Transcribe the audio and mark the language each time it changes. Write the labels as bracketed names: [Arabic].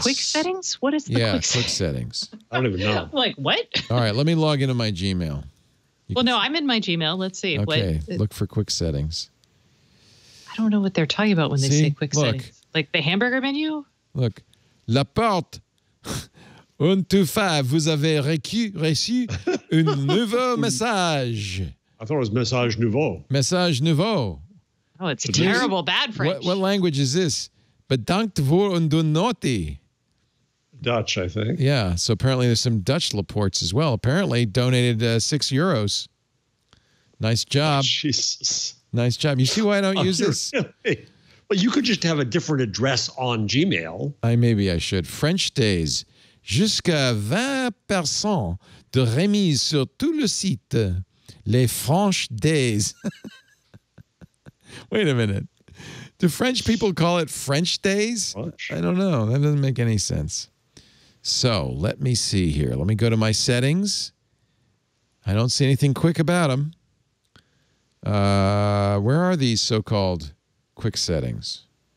[English] quick settings. What is the yeah, quick settings? I don't even know. I'm like what? All right, let me log into my Gmail. I'm in my Gmail. Let's see. Okay, look for quick settings. I don't know what they're talking about when they say quick settings. Like the hamburger menu. Look, la porte 125. [French] Vous avez reçu un nouveau message. [English] I thought it was [French] message nouveau. Message nouveau. [English] Oh, it's terrible. Bad French. What language is this? [Dutch] Bedankt voor een donatie. [English] Dutch, I think. Yeah, so apparently there's some Dutch Laportes as well. Apparently donated €6. Nice job. Oh, Jesus. Nice job. You see why I don't use this? Well, you could just have a different address on Gmail. Maybe I should. French days. [French] Jusqu'à 20% de remise sur tout le site. [English] Les French days. Wait a minute. Do French people call it French days? French. I don't know. That doesn't make any sense. So let me see here. Let me go to my settings. I don't see anything quick about them. Where are these so-called quick settings?